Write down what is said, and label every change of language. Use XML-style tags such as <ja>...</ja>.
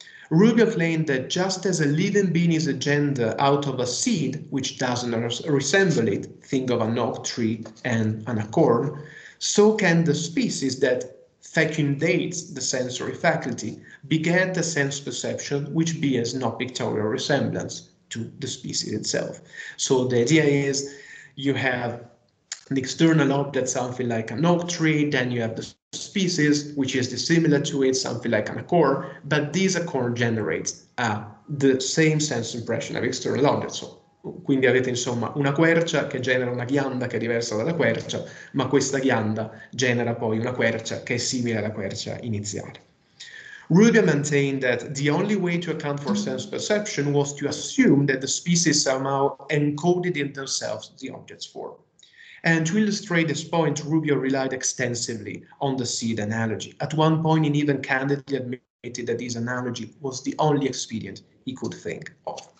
<en>Rubio claimed that just as a living being is a gender out of a seed which doesn't resemble it, think of an oak tree and an acorn, so can the species that fecundates the sensory faculty beget the sense perception which bears no pictorial resemblance to the species itself. So the idea is, you have the external object, something like an oak tree, then you have the species, which is dissimilar to it, something like an acorn, but this acorn generates the same sense impression of external object.</en> <it>So, quindi avete insomma una quercia che genera una ghianda che è diversa dalla quercia, ma questa ghianda genera poi una quercia che è simile alla quercia iniziale.</it> <en>Rubio maintained that the only way to account for sense perception was to assume that the species somehow encoded in themselves the object's form. And to illustrate this point, Rubio relied extensively on the seed analogy. At one point, he even candidly admitted that this analogy was the only expedient he could think of.</en>